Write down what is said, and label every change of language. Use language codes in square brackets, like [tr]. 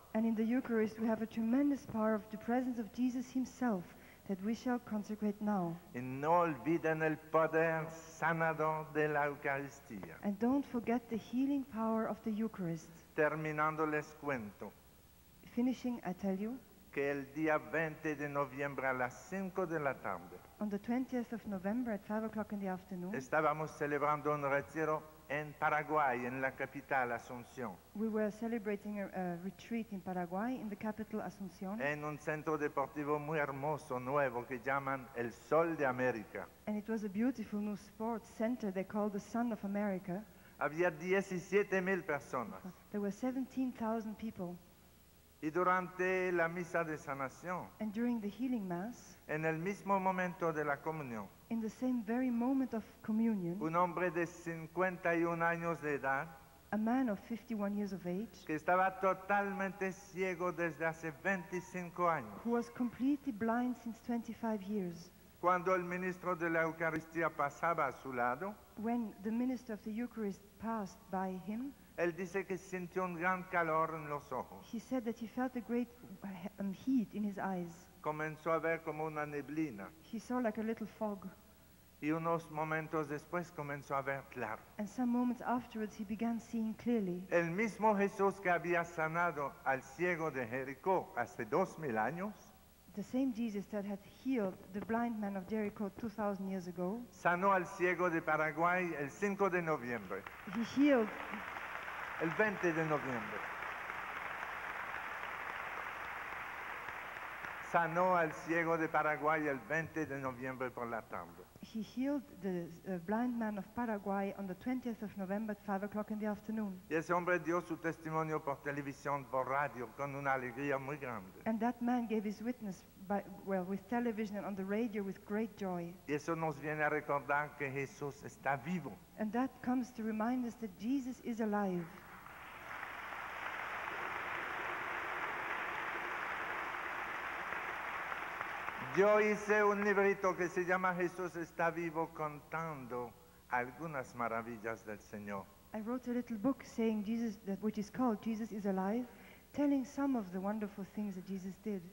[en] And in the Eucharist, we have a tremendous power of the presence of Jesus himself that we shall consecrate now. [es] Y no olviden el poder sanador de la Eucaristía. [en] And don't forget the healing power of the Eucharist. [es] Terminando, les cuento. [en] Finishing, I tell you. [es] Que el día 20 de noviembre a las 5 de la tarde. [en] On the 20th of November at 5 o'clock in the afternoon. [es] Estábamos celebrando un retiro en Paraguay, en la capital Asunción. [en] We were celebrating a retreat in Paraguay, in the capital Asunción. [es] En un centro deportivo muy hermoso, nuevo, que llaman el Sol de América. [en] And it was a beautiful new sports center they called the Sun of America. [es] Había 17,000 personas. [en] There were 17,000 people. [es] Y durante la misa de sanación. [en] And during the healing mass. [es] En el mismo momento de la comunión. [en] In the same very moment of communion. [es] Un hombre de 51 años de edad. [en] A man of 51 years of age. [es] Que estaba totalmente ciego desde hace 25 años. [en] Who was completely blind since 25 years. [es] Cuando el ministro de la Eucaristía pasaba a su lado. [en] When the minister of the Eucharist passed by him. [es] Él dice que sintió un gran calor en los ojos. [en] He said that he felt a great heat in his eyes. [es] Comenzó a ver como una neblina. [en] He saw like a little fog. [es] Y unos momentos después comenzó a ver claro. [en] And some moments afterwards he began seeing clearly. [es] El mismo Jesús que había sanado al ciego de Jericó hace 2,000 años. [en] The same Jesus that had healed the blind man of Jericho 2,000 years ago. [es] Sanó al ciego de Paraguay el 5 de noviembre. [en] He healed [es] el 20 de noviembre. Sanó al ciego de Paraguay el 20 de noviembre por la tarde. [en] He healed the blind man of Paraguay on the 20th of November at 5 o'clock in the afternoon. [es] Y ese hombre dio su testimonio por televisión, por radio, con una alegría muy grande. [en] And that man gave his witness with television and on the radio with great joy. [es] Y eso nos viene a recordar que Jesús está vivo. [en] And that comes to remind us that Jesus is alive. [es] Yo hice un librito que se llama Jesús está vivo contando algunas maravillas del Señor. [en] I wrote a little book saying Jesus, that which is called Jesus is Alive, telling some of the wonderful things that Jesus did.